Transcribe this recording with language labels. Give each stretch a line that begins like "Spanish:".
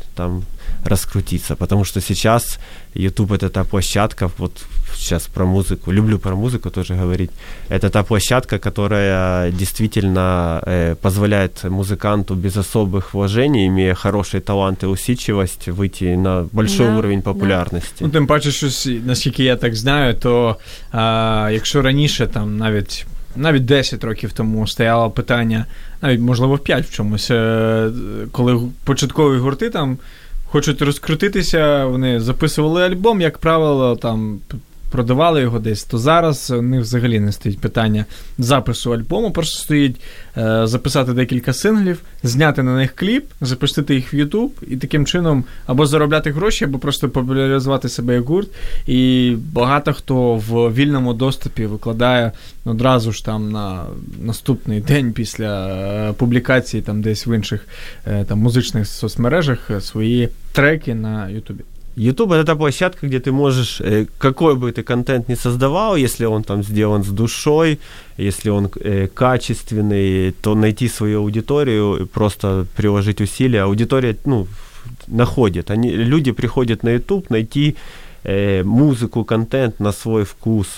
Russian: там раскрутиться. Потому что сейчас YouTube — это та площадка, вот сейчас про музыку, люблю про музыку тоже говорить, это та площадка, которая действительно позволяет музыканту без особых вложений, имея хороший талант и усидчивость, выйти на большой уровень популярности.
Ukrainian: Ну, тим паче, що, наскільки я так знаю, то якщо раніше там навіть 10 років тому стояло питання, навіть, можливо, 5 в чомусь, коли початкові гурти там хочуть розкрутитися, вони записували альбом, як правило, там продавали його десь, то зараз у них взагалі не стоїть питання запису альбому, просто стоїть записати декілька синглів, зняти на них кліп, запустити їх в YouTube і таким чином або заробляти гроші, або просто популяризувати себе як гурт. І багато хто в вільному доступі викладає одразу ж там на наступний день після публікації там десь в інших там музичних соцмережах свої треки на YouTube.
Russian: YouTube — это та площадка, где ты можешь, какой бы ты контент ни создавал, если он там сделан с душой, если он качественный, то найти свою аудиторию и просто приложить усилия. Аудитория, ну, находит. Они, люди приходят на YouTube найти музыку, контент на свой вкус.